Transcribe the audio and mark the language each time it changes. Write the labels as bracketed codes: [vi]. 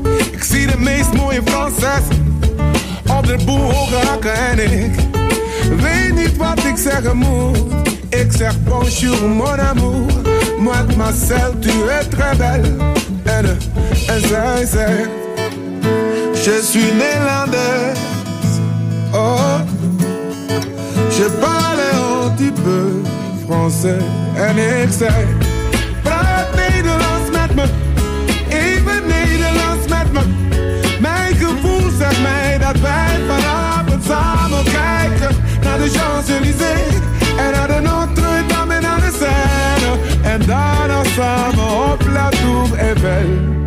[nl] Ik zie de meest mooie Franses op de boel hakken en ik weet niet wat ik zeggen moet. Ik zeg [fr] bonjour mon amour. Mademoiselle, tu es très belle. [nl] En zij zei, [fr] je suis [nl] Nederlandse. [fr] Oh, je parle un petit peu français. [nl] En ik zei, praat Nederlands met me. Even Nederlands met me. Mijn gevoel zegt mij dat wij vanavond samen kijken naar de Champs-Élysées. En naar de Notre-Dame en naar de Seine. En daarna samen op La Tour Eiffel.